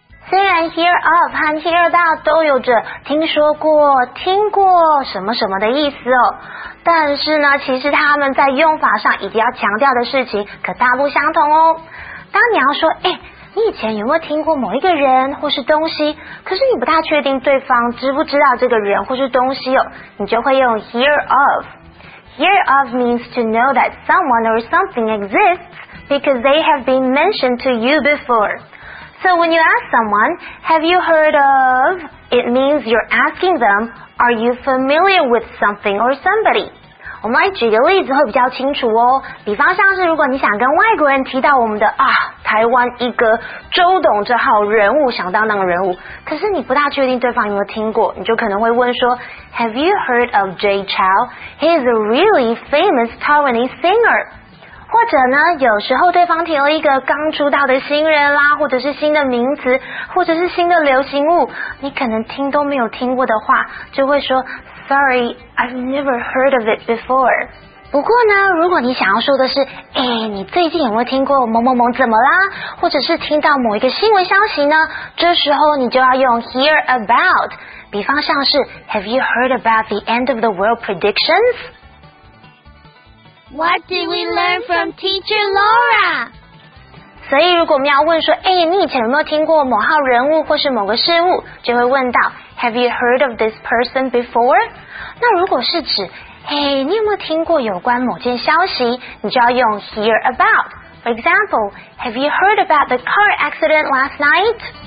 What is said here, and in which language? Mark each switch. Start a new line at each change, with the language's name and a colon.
Chinese: 虽然 hear of 和 hear about 都有着听说过、听过什么什么的意思哦，但是呢，其实他们在用法上以及要强调的事情可大不相同哦。当你要说，哎，你以前有没有听过某一个人或是东西，可是你不大确定对方知不知道这个人或是东西哦，你就会用 hear of.
English: Hear of means to know that someone or something exists because they have been mentioned to you before. So when you ask someone, have you heard of, it means you're asking them, are you familiar with something or somebody?
Chinese: 我们来举个例子会比较清楚哦。比方像是，如果你想跟外国人提到我们的啊，台湾一个周董这号人物，响当当的人物，可是你不大确定对方有没有听过，你就可能会问说
English: Have you heard of Jay Chou? He is a really famous Taiwanese singer.
Chinese: 或者呢，有时候对方提了一个刚出道的新人啦，或者是新的名词，或者是新的流行物，你可能听都没有听过的话，就会说
English: Sorry, I've never heard of it before.
Chinese: 不过呢，如果你想要说的是，哎，你最近有没有听过某某某怎么啦？或者是听到某一个新闻消息呢？这时候你就要用 hear about. 比方像是
English: Have you heard about the end of the world predictions? What did we learn from Teacher Laura?
Chinese: 所以如果我们要问说，哎，你以前有没有听过某号人物或是某个事物，就会问到
English: Have you heard of this person before?
Chinese: 那如果是指，哎，你有没有听过有关某件消息，你就要用 hear about.
English: For example, Have you heard about the car accident last night?